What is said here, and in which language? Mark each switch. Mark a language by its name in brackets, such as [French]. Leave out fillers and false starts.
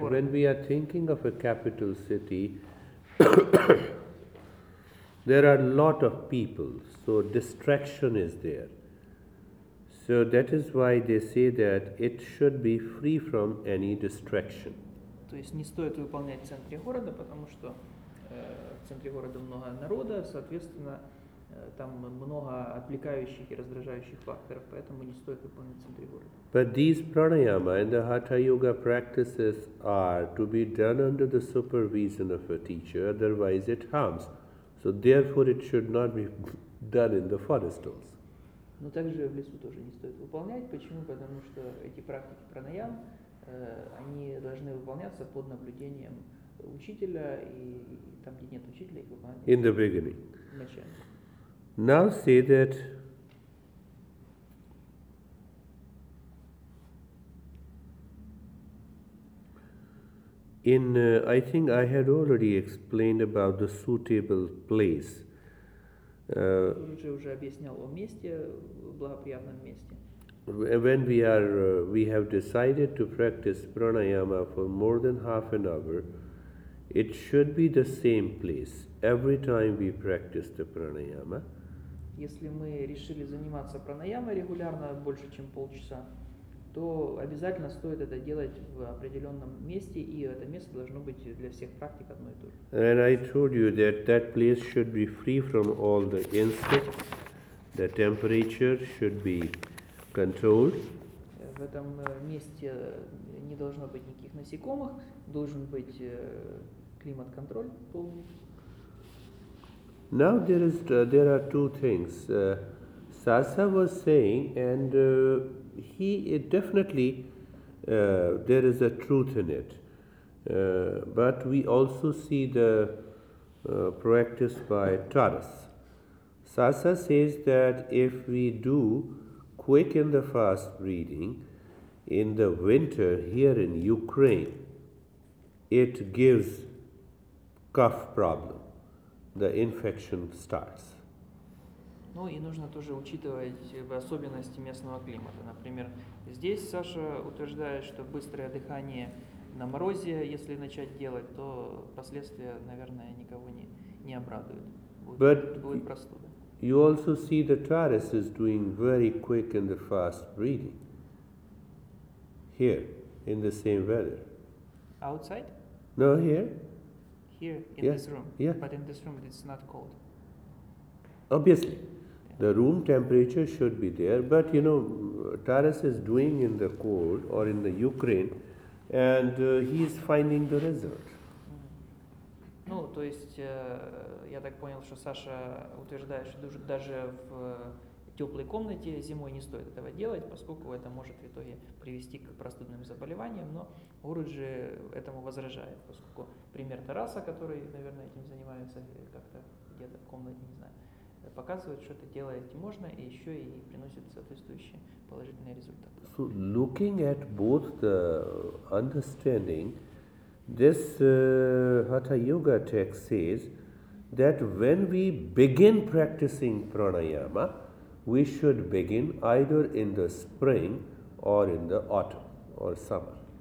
[English] When we are thinking of a capital city, there are a lot of people, so distraction is there. So that is why they say that it should be free from any distraction. [Russian] То есть не стоит выполнять в центре города, потому что в центре города много народа, соответственно, там много отвлекающих и раздражающих факторов, поэтому не стоит выполнять в центре города. [English] But these pranayama and the hatha yoga practices are to be done under the supervision of a teacher, otherwise it harms. So therefore it should not be done in the forest also. [Russian] Но также в лесу тоже не стоит выполнять. Почему? Потому что эти практики пранаям, они должны выполняться под наблюдением учителя, и там, где нет учителя, их выполняют. [English] In the beginning. Now say that in, I think I had already explained about the suitable place. [Russian] Я уже объяснял о месте, благоприятном месте. [English] When we are, we have decided to practice pranayama for more than half an hour, it should be the same place every time we practice the pranayama. [Russian] Если мы решили заниматься пранаямой регулярно больше чем полчаса, то обязательно стоит это делать в определенном месте, и это место должно быть для всех практик одно и то же. [English] And I told you that that place should be free from all the insects. The temperature should be controlled. [Russian] В этом месте не должно быть никаких насекомых, должен быть климат-контроль полный. [English] Now there is there are two things. Sasa was saying, and he it definitely there is a truth in it. But we also see the practice by Taras. Sasa says that if we do quick in the fast breathing in the winter here in Ukraine, it gives cough problem. The infection starts. [Russian] Ну и нужно тоже учитывать особенности местного климата. Например, здесь Саша утверждает, что быстрое дыхание на морозе, если начать делать, то последствия, наверное, никого не обрадуют. Будет простуда. [English] You also see the torus is doing very quick and the fast breathing here in the same weather. Outside? No, here. Here in yeah. this room. Yeah. But in this room it's not cold. Obviously. The room temperature should be there, but you know, Taras is doing in the cold or in the Ukraine, and he is finding the result. [Russian] Ну, то есть я так понял, что Саша утверждает, что даже в теплой комнате зимой не стоит этого делать, поскольку это может в итоге привести к простудным заболеваниям. Но Гуруджи этому возражает, поскольку пример Тараса, который, наверное, этим занимается как-то где-то в комнате, не знаю. Показывает, что это делать можно, и еще и приносит соответствующие положительные результаты. [English] So, looking at both the understanding, this Hatha Yoga text says that when we begin practicing pranayama, we should begin either in the spring or in the autumn or summer.